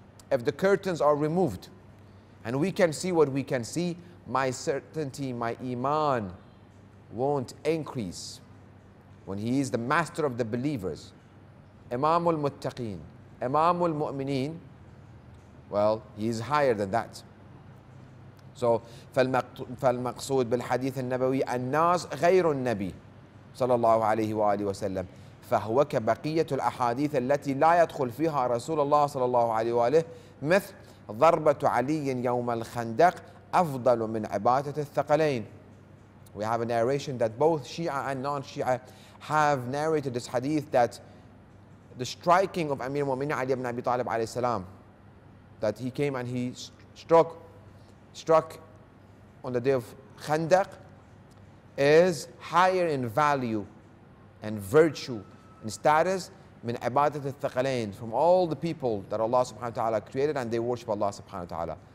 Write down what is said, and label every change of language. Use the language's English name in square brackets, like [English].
[English] If the curtains are removed and we can see what we can see, my certainty, my iman won't increase. When he is the master of the believers, Imam al-Muttaqeen, Imam al-Mu'mineen, well, he is higher than that. [Arabic] So فالمقصود بالحديث النبوي الناس غير النبي صلى الله عليه وآله وسلم فهو كبقية الأحاديث التي لا يدخل فيها رسول الله صلى الله عليه وآله مثل ضربة علي يوم الخندق أفضل من عبادة الثقلين. [English] We have a narration that both Shia and non-Shia have narrated this hadith, that the striking of Amir al-Mu'mineen Ali ibn Abi Talib عليه السلام, that he came and he struck on the day of Khandaq, is higher in value and virtue and status [Arabic] min ibadat al-thaqalain, [English] from all the people that Allah subhanahu wa ta'ala created and they worship Allah subhanahu wa ta'ala.